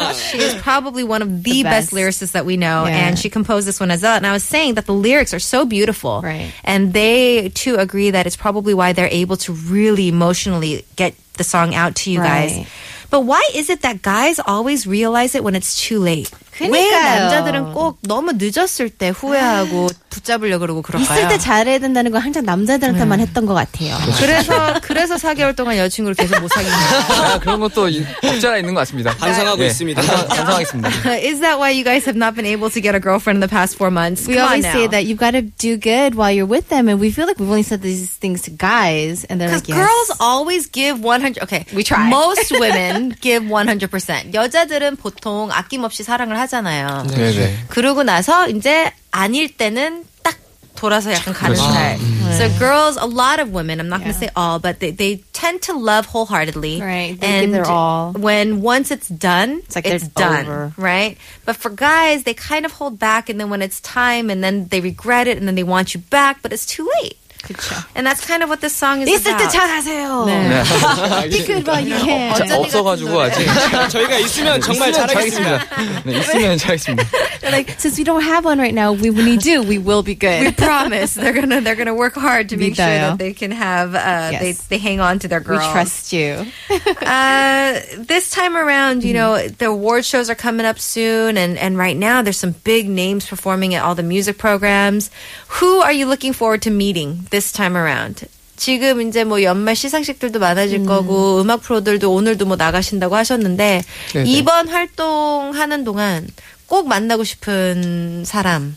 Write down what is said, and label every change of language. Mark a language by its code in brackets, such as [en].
[en] She is probably one of the best lyricists that we know. Yeah. And she composed this one as well. And I was saying that the lyrics are so beautiful. Right. And they too agree that it's probably why they're able to really emotionally get the song out to you guys. But why is it that guys always realize it when it's too late? [ko] 그러니까요. 왜 남자들은 꼭 너무 늦었을 때 후회하고 붙잡으려고 그러고 그럴까요? 있을 때 잘해야 된다는 건 항상 남자들한테만 했던 것 같아요. 그래서 4개월 동안 여자친구를 계속 못 사귄 거예요. 그런 것도 없잖아 있는 것 같습니다. 반성하고 있습니다. 반성하겠습니다. [en] Is that why you guys have not been able to get a girlfriend in the past 4 months? We always say that you've got to do good while you're with them, and we feel like we've only said these things to guys, and they're like, yes. Because girls always give 100. Okay, we try. Most women give 100%. [ko] 여자들은 보통 아낌없이 사랑을 하잖아요. 네네. 그러고 나서 이제 아닐 때는 딱 돌아서 약간 가는 스타일. 그렇죠. [en] So girls, a lot of women, I'm not going to say all, but they tend to love wholeheartedly. Right. They give their all. When once it's done, it's done. Over. Right? But for guys, they kind of hold back, and then when it's time, and then they regret it, and then they want you back, but it's too late. [ko] 그쵸. [en] And that's kind of what this song is about. [ko] 있을 때 잘하세요. 네. 그러니까. 없어가지고 아직. 저희가 있으면 정말 잘하겠습니다. 네, 있으면 잘하겠습니다. [en] Like, since we don't have one right now, when we do, we will be good. We promise. They're gonna work hard to make sure that they can have, they hang on to their girl. We trust you. this time around, you know, the award shows are coming up soon, and right now there's some big names performing at all the music programs. Who are you looking forward to meeting this time around? [ko] 지금 이제 뭐 연말 시상식들도 많아질 거고 음악 프로들도 오늘도 뭐 나가신다고 하셨는데 네네. 이번 활동하는 동안 꼭 만나고 싶은 사람